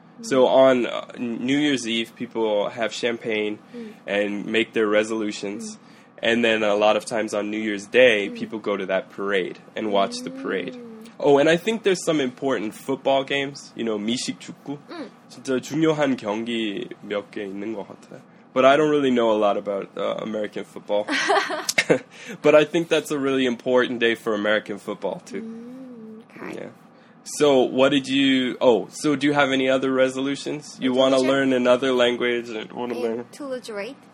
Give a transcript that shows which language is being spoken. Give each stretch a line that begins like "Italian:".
English: So on New Year's Eve, people have champagne and make their resolutions. And then a lot of times on New Year's Day, people go to that parade and watch the parade. Oh, and I think there's some important football games, you know, 미식 축구.
Korean: 진짜 중요한 경기 몇 개 있는 것 같아.
English: But I don't really know a lot about American football. But I think that's a really important day for American football, too. Okay. Yeah. So, what did you... Oh, so do you have any other resolutions? You want to learn another language? To lose weight.